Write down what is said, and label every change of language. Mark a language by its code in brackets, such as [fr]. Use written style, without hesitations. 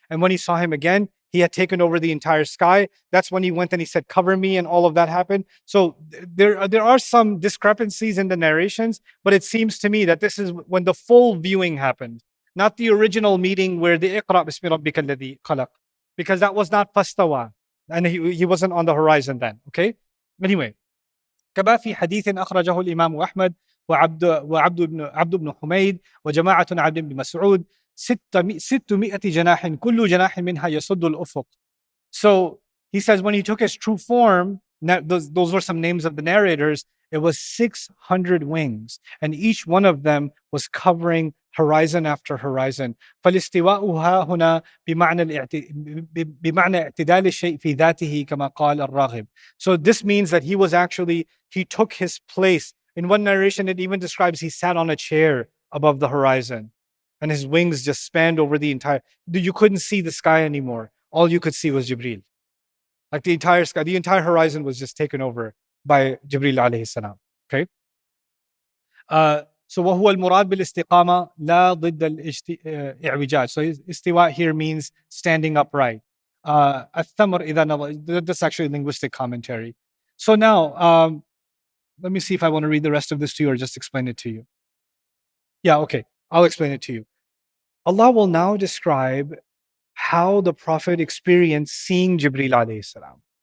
[en] And when he saw him again, he had taken over the entire sky. That's when he went and he said, cover me, and all of that happened. So there are some discrepancies in the narrations, but it seems to me that this is when the full viewing happened, not the original meeting where the Iqra' Bismi Rabbika Alladhi Khalaq, because that was not fastawa, and he wasn't on the horizon then. Okay? Anyway, [ar] كَبَا فِي حَدِيثٍ أَخْرَجَهُ الْإِمَامُ أَحْمَدُ وعبد بن حميد وجماعة عبد بن مسعود ستمائة جناح كل جناح منها يصد الأفق. [en] So he says when he took his true form, those were some names of the narrators, it was 600 wings, and each one of them was covering horizon after horizon. [ar] فالاستواءها هنا بمعنى اعتدال الشيء في ذاته كما قال الراغب. [en] So this means that he took his place. In one narration, it even describes he sat on a chair above the horizon and his wings just spanned over the entire. You couldn't see the sky anymore. All you could see was Jibreel. Like the entire sky, the entire horizon was just taken over by Jibreel alayhi salam. Okay? So, [ar] وهو المراد بالاستقامة لا ضد الاعوجاج. [en] So, istiwa here means standing upright. [ar] الثمر إذا نظر. [en] That's actually a linguistic commentary. So now, let me see if I want to read the rest of this to you or just explain it to you. Yeah, okay. I'll explain it to you. Allah will now describe how the Prophet experienced seeing Jibreel alayhi salam.